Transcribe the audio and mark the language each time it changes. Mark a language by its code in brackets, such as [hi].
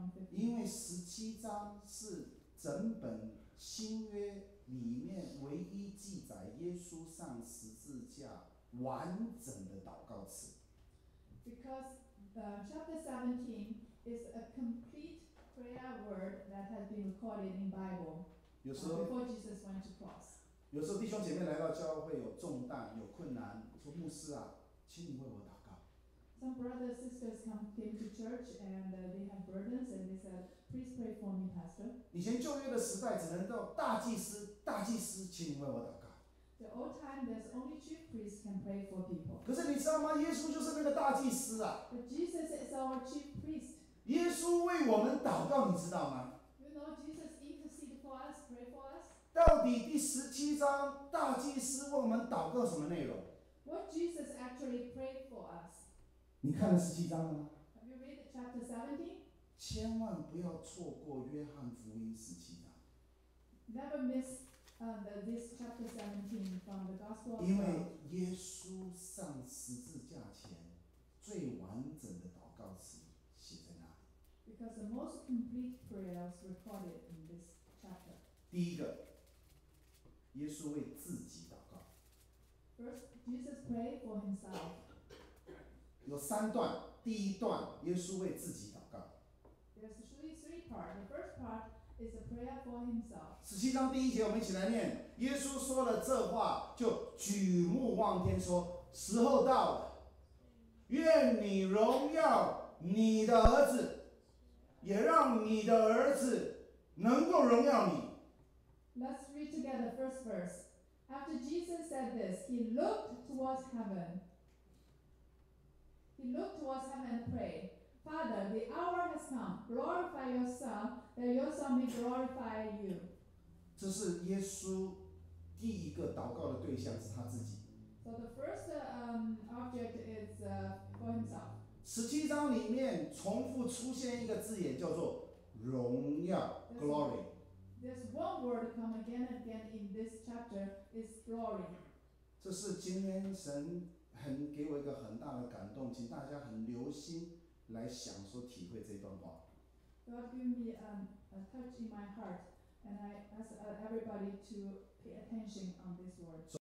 [zh] 因为十七章是整本新约里面唯一记载耶稣上十字架完整的祷告词。 [en] Chapter 17 is a complete prayer word that has been recorded in Bible before Jesus went to cross. [zh] 有时候弟兄姐妹来到教会有重担有困难，说牧师啊，请你为我祷告。 [en] Some brothers and sisters came to church and they have burdens and they said, please pray for me, pastor. [zh] 以前旧约的时代只能到大祭司，大祭司，请你为我祷告。 [en] The old time, there's only chief priests can pray for people. [zh] 可是你知道吗？耶稣就是那个大祭司啊。 [en] But Jesus is our chief priest. [zh] 耶稣为我们祷告，你知道吗 [en] ？You know Jesus intercede for us, pray for us. [zh] 到底第十七章大祭司为我们祷告什么内容 [en] ？What Jesus actually prayed for us? [zh] 你看了十七章了吗 [en] ？Have you read chapter 17? [zh] 千万不要错过约翰福音十七章。 [en] Never miss. This chapter 17 from the Gospel of John. [zh] 因为耶稣上十字架前最完整的祷告词写在那里。 [en] Because the most complete prayers recorded in this chapter. [zh] 第一个，耶稣为自己祷告。 [en] First, Jesus prayed for himself. [zh] 有三段，第一段耶稣为自己祷告。 [en] There's actually three parts. The first part. It's a prayer for himself. [zh] 十七章第一节，我们一起来念。耶稣说了这话，就举目望天，说：“时候到了，愿你荣耀你的儿子，也让你的儿子能够荣耀你。” [en] Let's read together first verse. After Jesus said this, he looked towards heaven. He looked towards heaven and prayed. Father, the hour has come. Glorify your Son, that your Son may glorify you. [zh] 这是耶稣第一个祷告的对象是他自己。 [en] So the first object is for himself. [zh] 十七章里面重复出现一个字眼叫做荣耀 glory. [en] There's one word come again and again in this chapter is glory. [zh] 这是今天神很给我一个很大的感动，请大家很留心。来想说体会这段话。 [en] God gave me a touch in my heart, and I ask everybody to pay attention on this word.